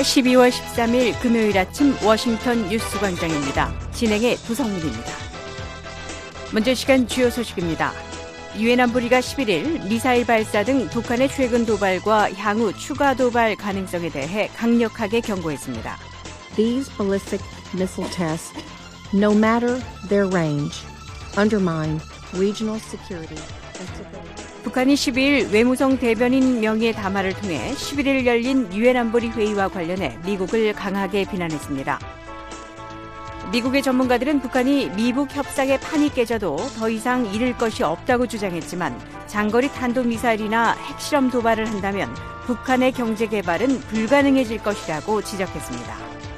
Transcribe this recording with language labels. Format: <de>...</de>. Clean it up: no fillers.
<ko>12월 13일 금요일 아침 워싱턴 뉴스 광장입니다. 진행의 부성민입니다. 먼저 시간 주요 소식입니다. 유엔 안보리가 11일 미사일 발사 등 북한의 최근 도발과 향후 추가 도발 가능성에 대해 강력하게 경고했습니다.</ko> <en>These ballistic missile tests, no matter their range, undermine regional security.</en> <ko>북한이 12일 외무성 대변인 명의의 담화를 통해 11일 열린 유엔 안보리 회의와 관련해 미국을 강하게 비난했습니다. 미국의 전문가들은 북한이 미북 협상의 판이 깨져도 더 이상 잃을 것이 없다고 주장했지만 장거리 탄도미사일이나 핵실험 도발을 한다면 북한의 경제 개발은 불가능해질 것이라고 지적했습니다.</ko>